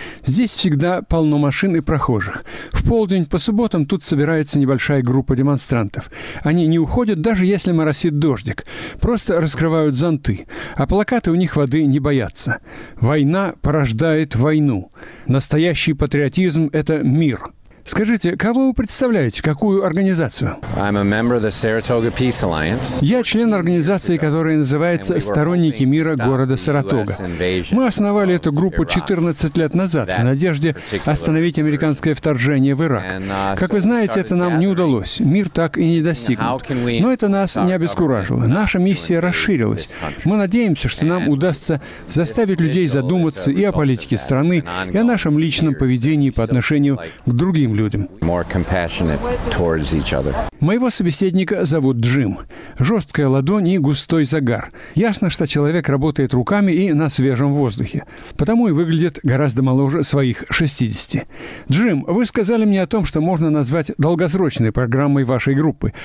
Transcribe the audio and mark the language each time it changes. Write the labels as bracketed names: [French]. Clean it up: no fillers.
[Russian] Здесь всегда полно машин и прохожих. В полдень по субботам тут собирается небольшая группа демонстрантов. Они не уходят, даже если моросит дождик. Просто раскрывают зонты. А плакаты у них воды не боятся. Война порождает войну. Настоящий патриотизм – это мир. Скажите, кого вы представляете, какую организацию? [English] I'm a member of the Saratoga Peace Alliance. [Russian] Я член организации, которая называется «Сторонники мира города Саратога». Мы основали эту группу 14 лет назад в надежде остановить американское вторжение в Ирак. Как вы знаете, это нам не удалось. Мир так и не достигнут. Но это нас не обескуражило. Наша миссия расширилась. Мы надеемся, что нам удастся заставить людей задуматься и о политике страны, и о нашем личном поведении по отношению к другим людям. [English] More compassionate towards each other. [Russian] Моего собеседника зовут Джим. Жесткая ладонь и густой загар. Ясно, что человек работает руками и на свежем воздухе. Потому и выглядит гораздо моложе своих 60. Джим, вы сказали мне о том, что можно назвать долгосрочной программой вашей группы.